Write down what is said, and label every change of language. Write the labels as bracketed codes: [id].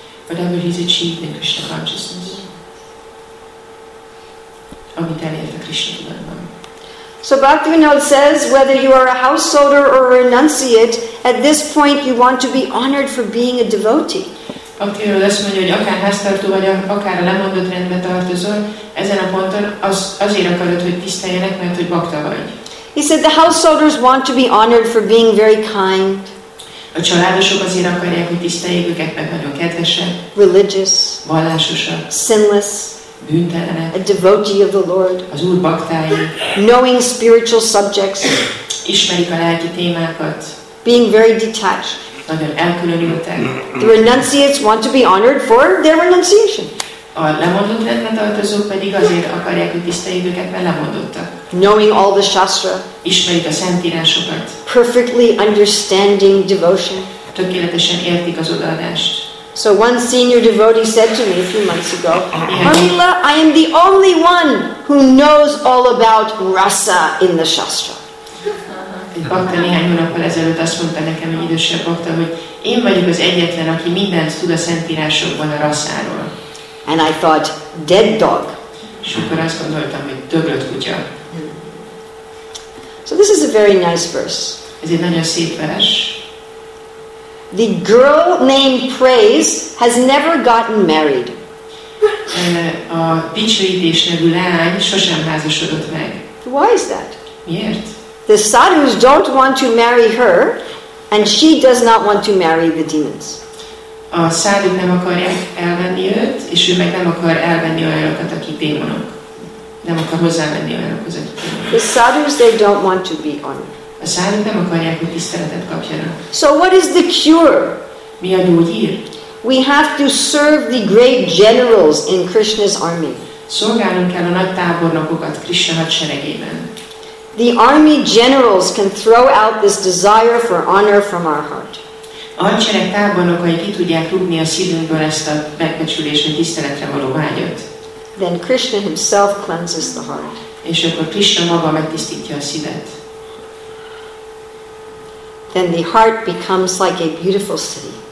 [en] Whatever he's achieved in Krishna consciousness. [hu] Amit elért a Krishna tudatban. [en] So Bhaktivinoda says, whether you are a householder or a renunciate, at this point you want to be honored for being a devotee. [hu] Bhaktivinoda azt mondja, hogy akár háztartó vagy, akár a lemondott rendbe tartozol, ezen a ponton azért akarod, hogy tiszteljenek, mert hogy bhakta vagy. [en] He said, the householders want to be honored for being very kind. [hu] A családosok azért akarják, hogy tiszteljék őket, mert nagyon kedvesek. [en] Religious. [hu] Vallásosak. [en] Sinless. [hu] Bűntelenek, [en] a devotee of the Lord, [hu] az Úr baktái, [en] knowing spiritual subjects, [hu] ismerik a lelki témákat, [en] being very detached, [hu] nagyon elkülönültek. [en] The renunciates want to be honored for their renunciation. [hu] A lemondott rendbe tartozók pedig azért akarják, hogy tiszteljék őket, mert lemondottak. [en] Knowing all the shastra, [hu] ismerik a szentírásokat, [en] perfectly understanding devotion, [hu] tökéletesen értik az odaadást. [en] So one senior devotee said to me a few months ago, Harila, I am the only one who knows all about rasa in the shastra. [hu] Egy bhakta néhány hónappal ezelőtt azt mondta nekem, egy idősebb bhakta, hogy én vagyok az egyetlen, aki mindent tud a szentírásokban a rasszáról. [en] And I thought, dead dog. [hu] És akkor azt gondoltam, hogy döglött kutya. [en] So this is a very nice verse. [hu] Ez egy nagyon szép vers. [en] The girl named Praise has never gotten married. [hu] A dicsőítés nevű lány sosem házasodott meg. [en] Why is that? [hu] Miért? [en] The sadhus don't want to marry her, and she does not want to marry the demons. [hu] A sadhuk nem akarják elvenni őt, és ő meg nem akar elvenni olyanokat, akik démonok. Nem akar hozzávenni olyanokhoz, akik démonok. [en] The sadhus, they don't want to be honored. [hu] A sádhuk nem akarják, hogy tiszteletet kapjanak. [en] So what is the cure? [hu] Mi a gyógyír? [en] We have to serve the great generals in Krishna's army. [hu] Szolgálnunk kell a nagy tábornokokat Krishna hadseregében. [en] The army generals can throw out this desire for honor from our heart. [hu] A hadsereg tábornokai ki tudják rúgni a szívünkből ezt a megbecsülésre, tiszteletre való vágyat. [en] Then Krishna himself cleanses the heart. [hu] És akkor Krishna maga megtisztítja a szívet. [en] Then the heart becomes like a beautiful city.